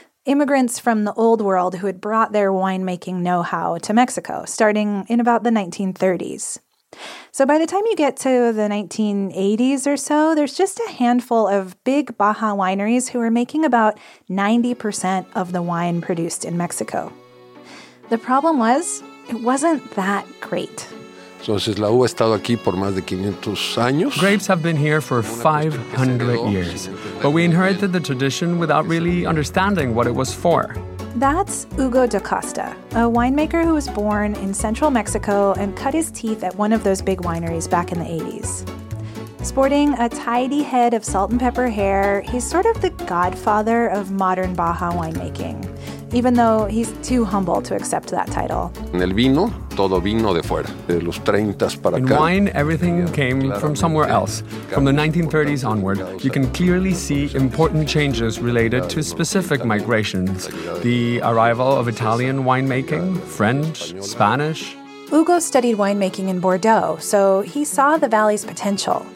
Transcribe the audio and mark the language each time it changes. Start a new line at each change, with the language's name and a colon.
English: Immigrants from the old world who had brought their winemaking know-how to Mexico, starting in about the 1930s. So by the time you get to the 1980s or so, there's just a handful of big Baja wineries who are making about 90% of the wine produced in Mexico. The problem was, it wasn't that great.
Spanish: Entonces, la uva ha estado aquí por más de 500 años.
English: Grapes have been here for 500 years, but we inherited the tradition without really understanding what it was for. That's Hugo da Costa, a winemaker who was born in central Mexico and cut his teeth at one of those big wineries back in the 80s. Sporting a tidy head of salt and pepper hair, he's sort of the godfather of modern Baja winemaking, even though he's too humble to accept that title.
Spanish: En el vino, todo vino de fuera, de los 30s para acá.
English: In wine, everything came from somewhere else. From the 1930s onward, you can clearly see important changes related to specific migrations. The arrival of Italian winemaking, French, Spanish. Hugo studied winemaking in Bordeaux, so he saw the valley's potential.